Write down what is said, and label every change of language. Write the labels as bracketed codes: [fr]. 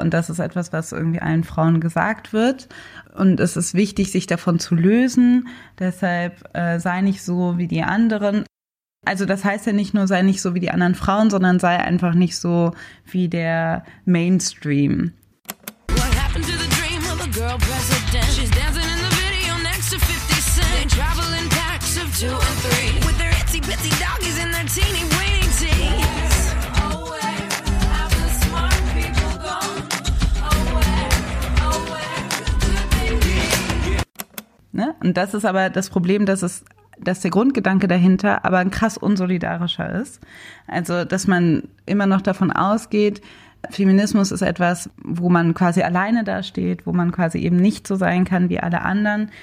[de] Und das ist etwas, was irgendwie allen Frauen gesagt wird. Und es ist wichtig, sich davon zu lösen. Deshalb sei nicht so wie die anderen. Also das heißt ja nicht nur, sei nicht so wie die anderen Frauen, sondern sei einfach nicht so wie der Mainstream. [en] What happened to the dream of a girl president? She's dancing in the video next to 50 Cent. They travel in packs of two and three. With their itsy bitsy doggies and their teeny weenies. Away, away, have the smart people gone. Away, away, could they be? [de] Und das ist aber das Problem, dass der Grundgedanke dahinter aber ein krass unsolidarischer ist. Also, dass man immer noch davon ausgeht, Feminismus ist etwas, wo man quasi alleine dasteht, wo man quasi eben nicht so sein kann wie alle anderen.